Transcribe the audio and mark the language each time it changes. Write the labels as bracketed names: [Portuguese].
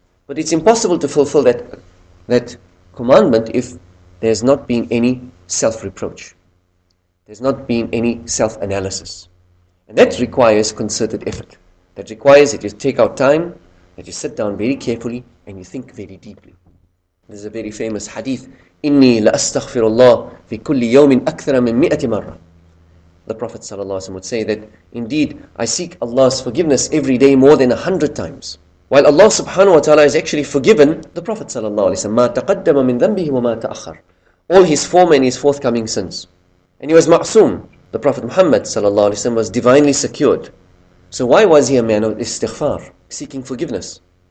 [English] But it's impossible to fulfill that commandment if there's not been any self-reproach. There's not been any self-analysis. And that requires concerted effort. That requires that you take out time, that you sit down very carefully and you think very deeply. There's a very famous hadith, [Arabic] إِنِّي لَأَسْتَغْفِرُ اللَّهِ فِي كُلِّ يَوْمٍ أَكْثَرَ مِنْ 100 مَرَّةٍ. [English] The Prophet ﷺ would say that, indeed, I seek Allah's forgiveness every day more than 100 times. While Allah subhanahu wa ta'ala has actually forgiven the Prophet ﷺ, [Arabic] مَا تَقَدَّمَ مِنْ ذَنْبِهِ وَمَا تَأَخَّرَ, [English] all his former and his forthcoming sins. And he was ma'soom. The Prophet Muhammad ﷺ was divinely secured. So why was he a man of istighfar, seeking forgiveness?